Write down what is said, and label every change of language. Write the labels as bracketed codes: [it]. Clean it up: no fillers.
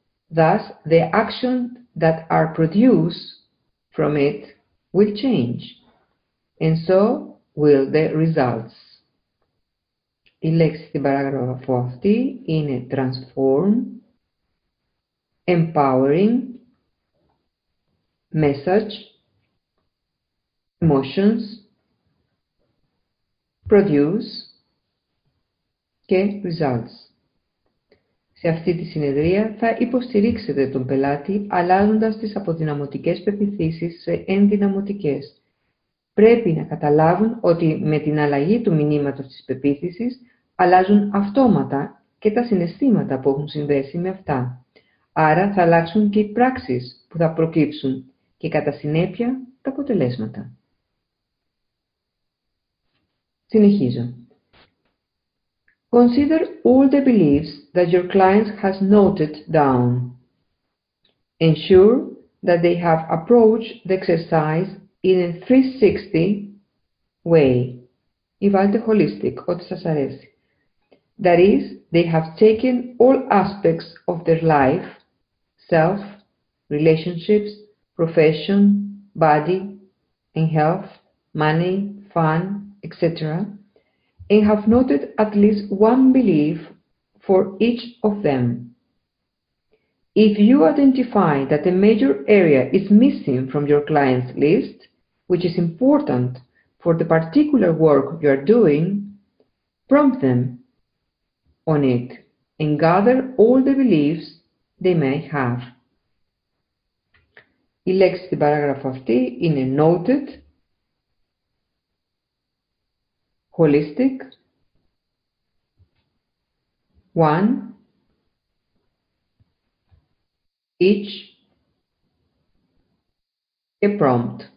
[en] Thus, the actions that are produced from it will change, and so will the results. [el] Η λέξη στην παράγραφο αυτή είναι transform, empowering, message, emotions, produce και results. Σε αυτή τη συνεδρία θα υποστηρίξετε τον πελάτη αλλάζοντας τις αποδυναμωτικές πεποιθήσεις σε ενδυναμωτικές. Πρέπει να καταλάβουν ότι με την αλλαγή του μηνύματος της πεποίθησης αλλάζουν αυτόματα και τα συναισθήματα που έχουν συνδέσει με αυτά. Άρα θα αλλάξουν και οι πράξεις που θα προκύψουν και κατά συνέπεια τα αποτελέσματα. Συνεχίζω. [en] Consider all the beliefs that your client has noted down. Ensure that they have approached the exercise in a 360 way. [el] Βάλτε holistic, ό,τι σας αρέσει. [en] That is, they have taken all aspects of their life, self, relationships, profession, body and health, money, fun, etc., and have noted at least one belief for each of them. If you identify that a major area is missing from your client's list, which is important for the particular work you are doing, prompt them on it and gather all the beliefs they may have. [el] Η λέξη στην παράγραφο αυτή είναι noted, holistic, one, each, και prompt.